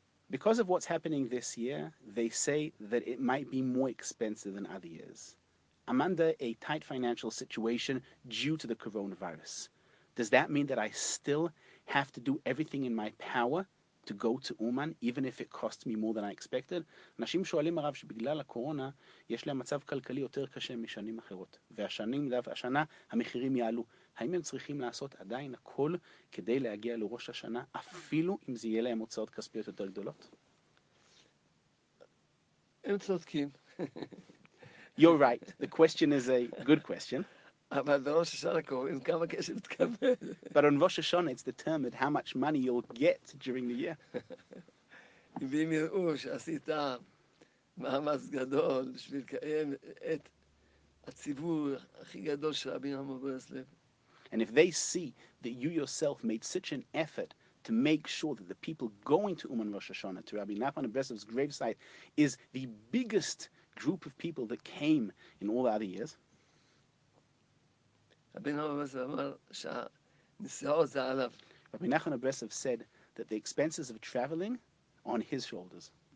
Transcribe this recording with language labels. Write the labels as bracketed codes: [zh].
[en] Because of what's happening this year, they say that it might be more expensive than other years. I'm under a tight financial situation due to the coronavirus. Does that mean that I still have to do everything in my power to go to Uman, even if it costs me more than I expected? [he] אנשים שואלים הרב שבגלל הקורונה יש להם מצב כלכלי יותר קשה משנים אחרות, והשנה המחירים יעלו. האם הם צריכים לעשות עדיין הכל כדי להגיע לראש השנה, אפילו אם זה יהיה להם הוצאות כספיות יותר גדולות? הם צודקים. [en] You're right. The question is a good question. [he] אבל בראש השנה קוראים כמה כסף תקבל. [en] But on Rosh Hashanah, it's determined how much money you'll get during the year. [he] ואם יראו שעשית מאמץ גדול בשביל לקיים את הציבור הכי גדול של רבי נחמן מברסלב, [en] and if they see that you yourself made such an effort to make sure that the people going to Uman Rosh Hashanah, to Rabbi Nachman of Breslov's gravesite, is the biggest group of people that came in all the other years. Rabbi Nachman of Breslov said that the expenses of traveling are on his shoulders.